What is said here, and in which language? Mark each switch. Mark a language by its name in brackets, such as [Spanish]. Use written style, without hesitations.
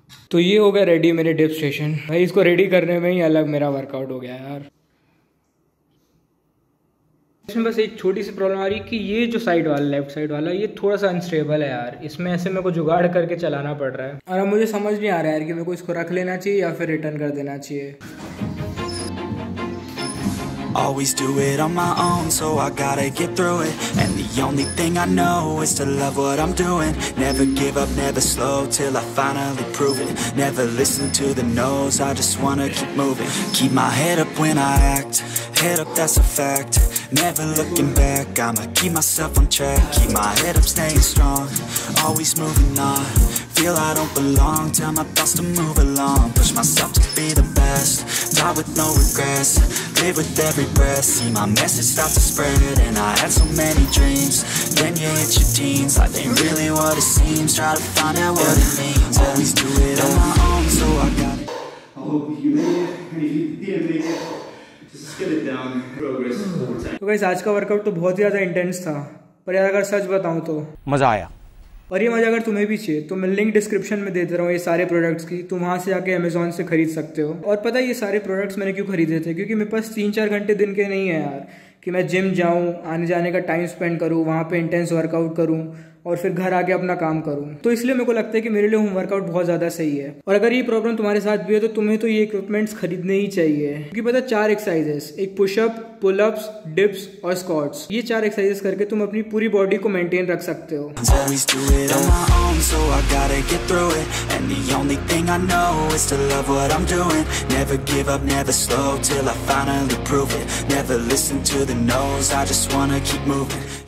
[Hindi] तो ये हो गया रेडी मेरे डिप स्टेशन। भाई इसको रेडी करने में ही अलग मेरा वर्कआउट हो गया यार। इसमें बस एक छोटी सी प्रॉब्लम आ रही है कि ये जो साइड वाला, लेफ्ट साइड वाला, ये थोड़ा सा अनस्टेबल है यार। इसमें ऐसे मेरे को जुगाड़ करके चलाना पड़ रहा है और अब मुझे समझ नहीं आ रहा है यार कि मेरे को इसको रख लेना चाहिए या फिर रिटर्न कर देना चाहिए। [English] Always do it on my own, so I gotta get through it. And the only thing I know is to love what I'm doing. Never give up, never slow, till I finally prove it. Never listen to the no's, I just wanna keep moving. Keep my head up when I act, head up, that's a fact. Never looking back, I'ma keep myself on track. Keep my head up, staying strong, always moving on. Feel I don't belong, tell my thoughts to move along. Push myself to be the best, die with no regrets. Live with every breath, see my message start to spread. And I had so many dreams, then you hit your teens. Life ain't really what it seems, try to find out what it means. Always do it on my own, so I got it. I hope you made it, and if you didn't make it, [Hindi] तो guys आज का workout तो बहुत ही ज़्यादा intense था, पर यार अगर सच बताऊँ तो मज़ा आया। और ये मज़ा अगर तुम्हें भी चाहिए तो मैं लिंक डिस्क्रिप्शन में दे दे रहा हूँ ये सारे प्रोडक्ट्स की, तुम वहाँ से जाके अमेज़ॉन से खरीद सकते हो। और पता है ये सारे प्रोडक्ट्स मैंने क्यों खरीदे थे, क्योंकि मेरे पास 3-4 घंटे दिन के नहीं है यार कि मैं जिम जाऊँ, आने जाने का टाइम स्पेंड करूँ, वहाँ पे इंटेंस वर्कआउट करूँ और फिर घर आके अपना काम करूँ। तो इसलिए मेरे को लगता है कि मेरे लिए होम वर्कआउट बहुत ज़्यादा सही है। और अगर ये प्रॉब्लम तुम्हारे साथ भी है तो तुम्हें तो ये इक्विपमेंट्स खरीदने ही चाहिए, क्योंकि पता है 4 एक्सरसाइजेस, एक पुशअप, पुलअप्स, डिप्स और स्क्वाट्स, ये 4 एक्सरसाइजेस करके तुम अपनी पूरी बॉडी को मेंटेन रख सकते हो। [English] So I gotta get through it. And the only thing I know is to love what I'm doing. Never give up, never slow, till I finally prove it. Never listen to the no's, I just wanna keep moving.